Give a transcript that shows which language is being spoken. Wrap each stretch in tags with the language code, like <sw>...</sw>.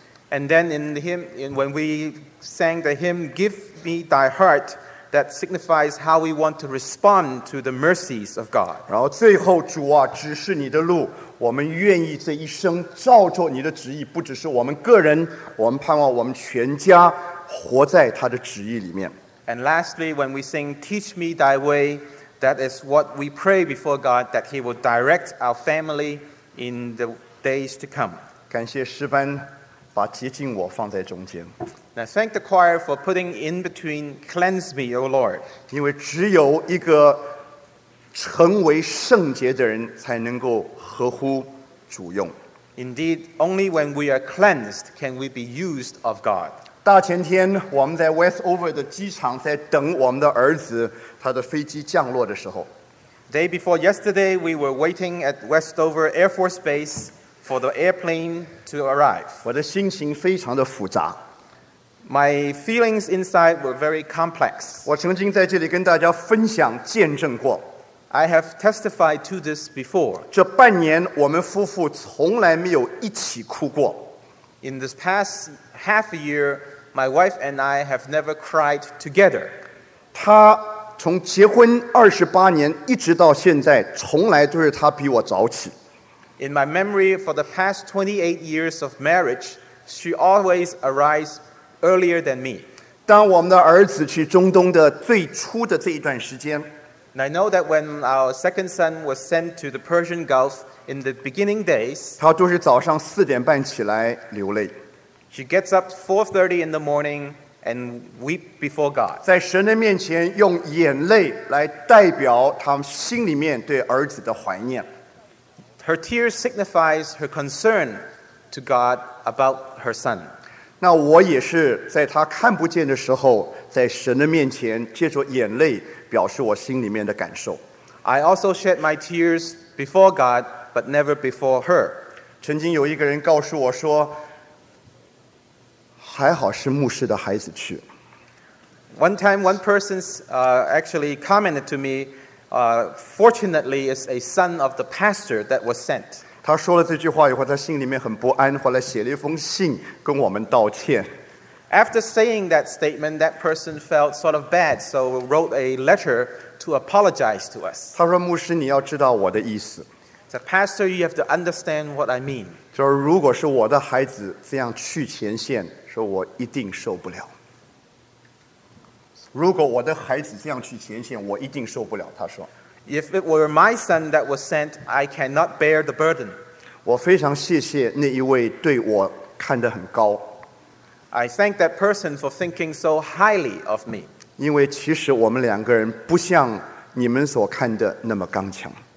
<en>And then in the hymn, when we sang the hymn, Give me thy heart, that signifies how we want to respond to the mercies of God.</en> <zh>然后最后主啊，指示你的路，我们愿意这一生照着你的旨意，不只是我们个人，我们盼望我们全家活在他的旨意里面。</zh> <en>And lastly, when we sing, Teach me thy way, that is what we pray before God, that he will direct our family in the days to come.</en> <zh>感谢诗班把洁净我放在中间。</zh> <en>Now thank the choir for putting in between cleanse me, O Lord.</en> <zh>因为只有一个成为圣洁的人才能够合乎主用。</zh> <en>Indeed, only when we are cleansed can we be used of God.</en> <zh>大前天我们在 Westover 的机场在等我们的儿子他的飞机降落的时候。</zh> <en>Day before yesterday, we were waiting at Westover Air Force Base. For the airplane to arrive.</en> <zh>我的心情非常的复杂。</zh> <en>My feelings inside were very complex.</en> <zh>我曾经在这里跟大家分享见证过。</zh> <en>I have testified to this before.</en> <zh>这半年我们夫妇从来没有一起哭过。</zh> <en>In this past half a year, my wife and I have never cried together.</en> <zh>她从结婚28年一直到现在，从来都是她比我早起。</zh> <en>In my memory, for the past 28 years of marriage, she always arises earlier than me.</en> <zh>当我们的儿子去中东的最初的这一段时间，</zh> <en>And I know that when our second son was sent to the Persian Gulf in the beginning days,</en> <zh>他都是早上四点半起来流泪。</zh> <en>She gets up 4:30 in the morning and weep before God.</en> <zh>在神的面前用眼泪来代表他心里面对儿子的怀念。</zh> <en>Her tears signifies her concern to God about her son.</en> <zh>那我也是在他看不见的时候，在神的面前借着眼泪表示我心里面的感受。</zh> <en>I also shed my tears before God, but never before her.</en> <zh>曾经有一个人告诉我说，还好是牧师的孩子去。</zh> <en>One time, one person actually commented to me, fortunately, it's a son of the pastor that was sent.</en> <zh>他说了这句话以后，他心里面很不安，后来写了一封信跟我们道歉。</zh> <en>After saying that statement, that person felt sort of bad, so wrote a letter to apologize to us.</en> <zh>他说，牧师，你要知道我的意思。</zh> <en>The pastor, you have to understand what I mean.</en> <zh>就是如果是我的孩子这样去前线，说我一定受不了。如果我的孩子这样去前线，我一定受不了。他说</zh> <en>，If it were my son that was sent, I cannot bear the burden.</en> <zh>我非常谢谢那一位对我看得很高。</zh> <en>I thank that person for thinking so highly of me.</en> <zh>因为其实我们两个人不像你们所看的那么刚强。</zh>